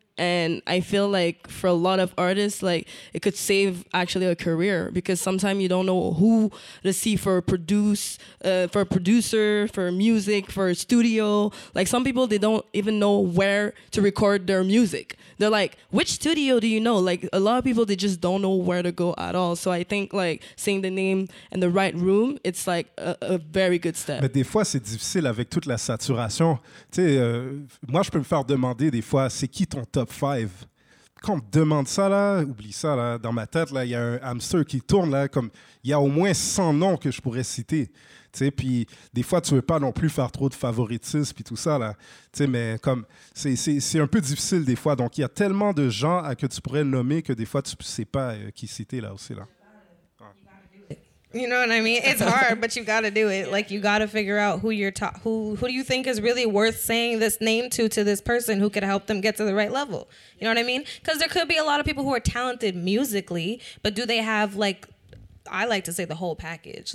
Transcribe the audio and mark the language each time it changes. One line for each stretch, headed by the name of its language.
English: And I feel like for a lot of artists, like, it could save actually a career, because sometimes you don't know who to see for for a producer, for music, for a studio. Like, some people, they don't even know where to record their music. They're like, which studio do you know? Like, a lot of people, they just don't know where to go at all. So I think, like, saying the name in the right room, it's like a very good step.
French: Mais des fois, c'est difficile avec toute la saturation. Tu sais, moi, je peux me faire demander des fois, c'est qui ton top 5? Quand on me demande ça, là, oublie ça, là, dans ma tête, là, il y a un hamster qui tourne, là, comme il y a au moins 100 noms que je pourrais citer. Tu sais, puis des fois, tu ne veux pas non plus faire trop de favoritisme puis tout ça, là. Tu sais, mais comme c'est un peu difficile des fois. Donc, il y a tellement de gens à que tu pourrais nommer que des fois, tu ne sais pas qui citer là aussi, là.
English: You know what I mean? It's hard, but you got to do it. Like, you got to figure out who do you think is really worth saying this name to this person who could help them get to the right level. You know what I mean? Because there could be a lot of people who are talented musically, but do they have, like, I like to say the whole package.